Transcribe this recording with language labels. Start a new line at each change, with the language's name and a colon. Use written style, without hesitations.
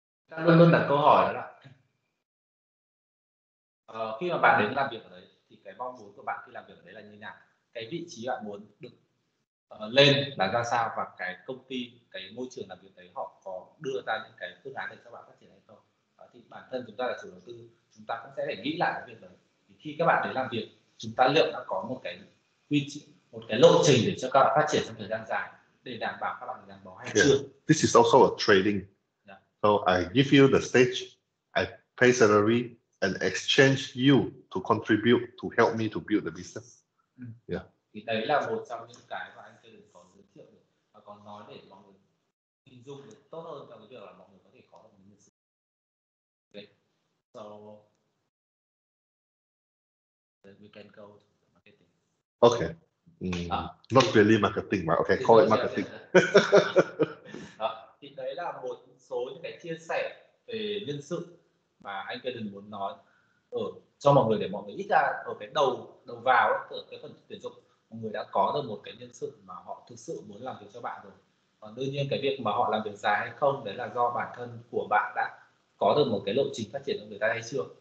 Vietnamese: Ta luôn luôn đặt câu hỏi đó là khi mà bạn đến làm việc ở đấy thì cái mong muốn của bạn khi làm việc ở đấy là như thế nào, cái vị trí bạn muốn được lên là ra sao, và cái công ty, cái môi trường làm việc đấy họ có đưa ra những cái phương án để cho bạn phát triển hay không. Thì bản thân chúng ta là chủ đầu tư, chúng ta cũng sẽ phải nghĩ lại cái việc đấy. Thì khi các bạn đến làm việc, chúng ta liệu đã có một cái quy trình, một cái lộ trình để cho các bạn phát triển trong thời gian dài để đảm bảo các bạn gắn bó hay chưa?
English: This is also a trading. Yeah. So I give you the stage, I pay salary and exchange you to contribute to help me to build the business. Yeah.
Vietnamese: Thì đấy là một trong những cái mà anh Kaden có giới thiệu được và còn nói để mọi người hình dung được tốt hơn trong cái việc là mọi người có thể có được những sự.
English: Okay. So we can go to the marketing. Okay. Not really marketing, but okay, call it marketing.
Vietnamese: Thì đấy là một số những cái chia sẻ về nhân sự mà anh Kaden muốn nói ở cho mọi người, để mọi người ít ra ở cái đầu vào ấy, ở cái phần tuyển dụng mọi người đã có được một cái nhân sự mà họ thực sự muốn làm việc cho bạn rồi. Còn đương nhiên cái việc mà họ làm việc dài hay không đấy là do bản thân của bạn đã có được một cái lộ trình phát triển cho người ta hay chưa.